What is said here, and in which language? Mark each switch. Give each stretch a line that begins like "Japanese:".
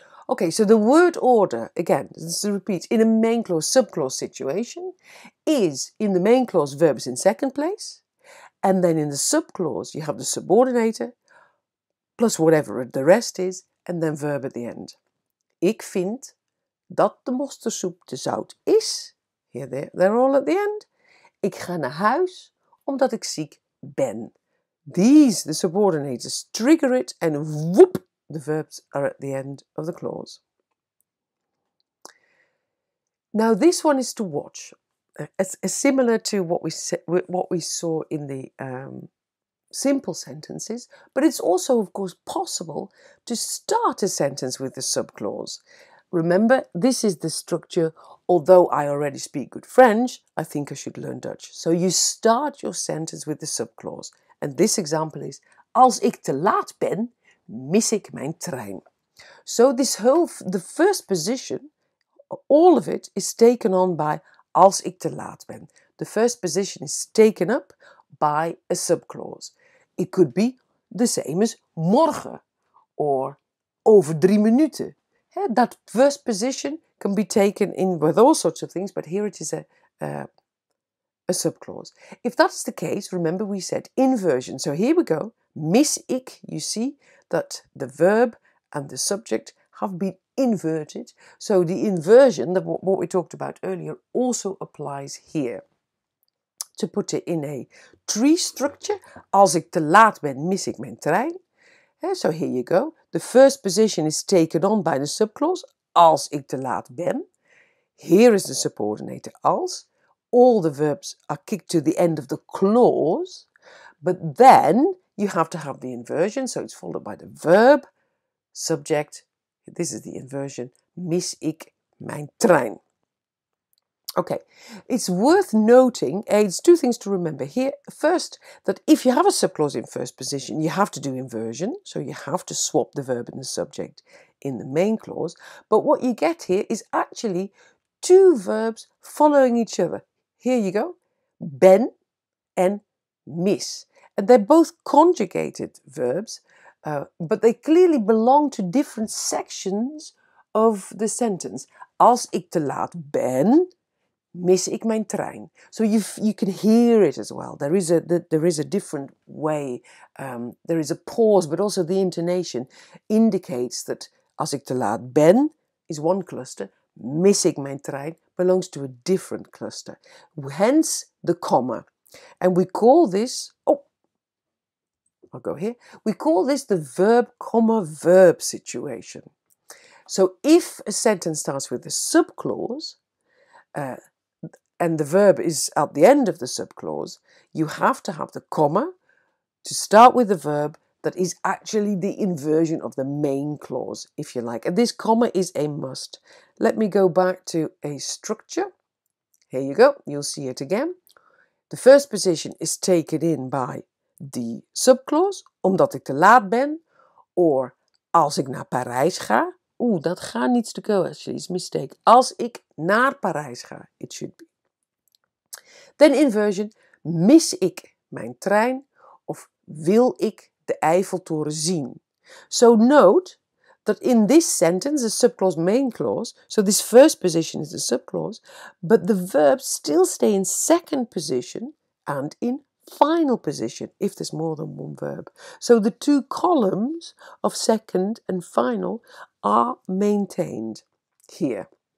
English: Okay, so the word order, again, this repeats, in a main clause, subclause situation, is in the main clause, verbs in second place, and then in the subclause, you have the subordinator, plus whatever the rest is, and then verb at the end.
Dutch: Ik vind dat de mosterdsoep te zout is.
English: Here they're all at the end.
Dutch: Ik ga naar huis omdat ik ziek ben.
English: These, the subordinators, trigger it, and whoop, the verbs are at the end of the clause. Now, this one is to watch. It's similar to what we saw in the simple sentences, but it's also, of course, possible to start a sentence with the subclause. Remember, this is the structure, although I already speak good French, I think I should learn Dutch. So you start your sentence with the subclause. And this example is,
Dutch: als ik te laat ben, mis ik mijn trein.
English: So this whole, the first position, all of it is taken on by
Dutch: als ik te laat ben.
English: The first position is taken up by a subclause. It could be the same as morgen or
Dutch: over 3 minuten.
English: Yeah, that first position can be taken in with all sorts of things, but here it is a subclause. If that's the case, remember we said inversion. So here we go.
Dutch: Mis ik,
English: you see that the verb and the subject have been inverted. So the inversion, what we talked about earlier, also applies here. To put it in a tree structure,
Dutch: als ik te laat ben, mis ik mijn trein.
English: Yeah, so here you go. The first position is taken on by the subclause,
Dutch: als ik te laat ben.
English: Here is the subordinator, als. All the verbs are kicked to the end of the clause. But then you have to have the inversion, so it's followed by the verb, subject. This is the inversion,
Dutch: mis ik mijn trein.
English: Okay, it's worth noting, it's two things to remember here. First, that if you have a subclause in first position, you have to do inversion. So you have to swap the verb and the subject in the main clause. But what you get here is actually two verbs following each other. Here you go, ben and mis. And they're both conjugated verbs, but they clearly belong to different sections of the sentence.
Dutch: Als ik te laat ben, mis ik mijn trein.
English: So you can hear it as well. There is a different way. There is a pause, but also the intonation indicates that
Dutch: als ik te laat ben
English: is one cluster.
Dutch: Mis ik mijn trein
English: belongs to a different cluster. Hence the comma. And we call this, we call this the verb comma verb situation. So if a sentence starts with a subclause, and the verb is at the end of the subclause, you have to have the comma to start with the verb that is actually the inversion of the main clause, if you like. And this comma is a must. Let me go back to a structure. Here you go. You'll see it again. The first position is taken in by the subclause,
Dutch: omdat ik te laat ben,
English: or
Dutch: als ik naar Parijs ga.
English: Ooh,
Dutch: dat ga
English: needs to go, actually. It's a mistake.
Dutch: Als ik naar Parijs ga,
English: it should be. Then inversion,
Dutch: mis ik mijn trein of wil ik de Eiffeltoren zien?
English: So note that in this sentence, the subclause main clause, so this first position is the subclause, but the verbs still stay in second position and in final position if there's more than one verb. So the two columns of second and final are maintained here.